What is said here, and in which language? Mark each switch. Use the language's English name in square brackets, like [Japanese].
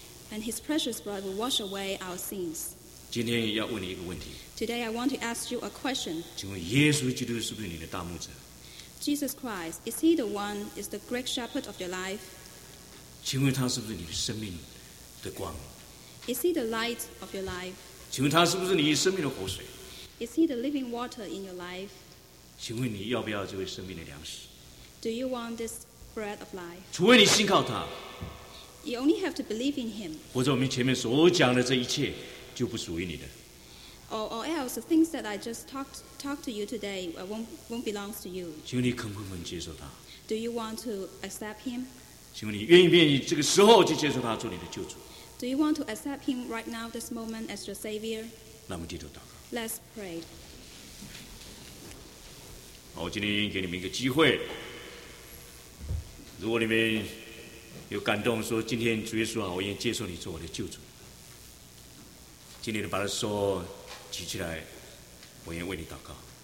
[English] And his precious blood will wash away our sins. [Chinese] 今天要问你一个问题。 [English] Today I want to ask you a question. [Chinese] 请问耶稣基督是不是你的大牧者？ [English] Jesus Christ, is he the one, is the great shepherd of your life? [Chinese] 请问他是不是你的生命的光？ [English] Is he the light of your life? [Chinese] 请问他是不是你生命的活水？ [English] Is he the living water in your life? [Chinese] 请问你要不要这位生命的粮食？ [English] Do you want this bread of life? [Chinese] 除非你信靠他。 [English] You only have to believe in him. [Chinese] 或者我们前面所讲的这一切就不属于你的。 [English] Or else, the things that I just talked to you today won't belong to you. [Chinese] 请问你肯不肯接受他？ [English] Do you want to accept him? [Chinese] 请问你愿意不愿意这个时候就接受他做你的救主？ [English] Do you want to accept him right now, this moment, as your savior? [Chinese] 那我们低头祷告。 [English] Let's pray. [Chinese] 好，我今天给你们一个机会。如果你们有感动，说今天主耶稣啊，我愿意接受你做我的救主。今天你把他说举起来，我愿意为你祷告。